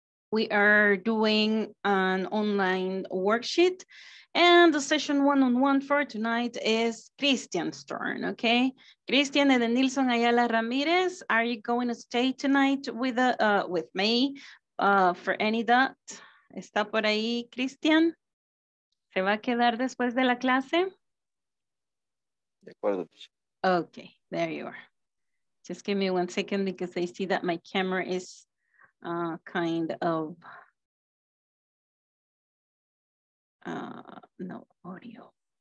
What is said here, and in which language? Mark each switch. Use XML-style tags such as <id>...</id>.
<en>We are doing an online worksheet, and the session one-on-one for tonight is Christian's turn, okay? Christian Edenilson Ayala Ramirez, are you going to stay tonight with me for any doubt?</en> <es>¿Está por ahí, Christian? ¿Se va a quedar después de la clase? De acuerdo.</es> <en>Okay, there you are. Just give me 1 second because I see that my camera is kind of no audio.</en>